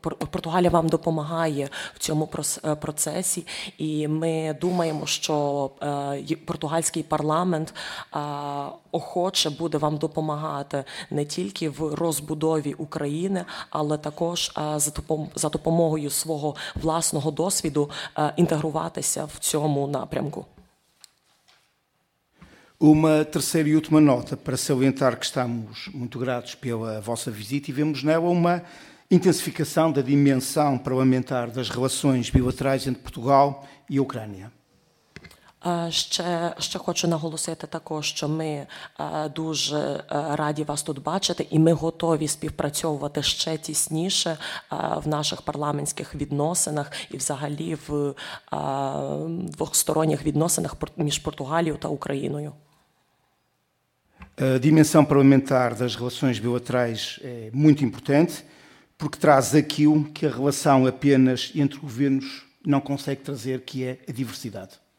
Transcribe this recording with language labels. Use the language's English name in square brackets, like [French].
[Ukrainian] Португалія вам допомагає в цьому процесі, і ми думаємо, що португальський парламент охоче буде вам допомагати не тільки в розбудові України, але також за допомогою свого власного досвіду інтегруватися в цьому напрямку. [Portuguese] Uma terceira e última nota para salientar que estamos muito gratos pela vossa visita e vemos nela uma intensificação da dimensão parlamentar das relações bilaterais entre Portugal e a Ucrânia. [Ukrainian] Ще хочу наголосити також, що ми дуже раді вас тут бачити і ми готові співпрацьовувати ще тісніше в наших парламентських відносинах і взагалі в двосторонніх відносинах між Португалією та Україною. [Portuguese] A dimensão parlamentar das relações bilaterais é muito importante, porque traz aquilo que a relação apenas entre governos não consegue trazer, que é a diversidade.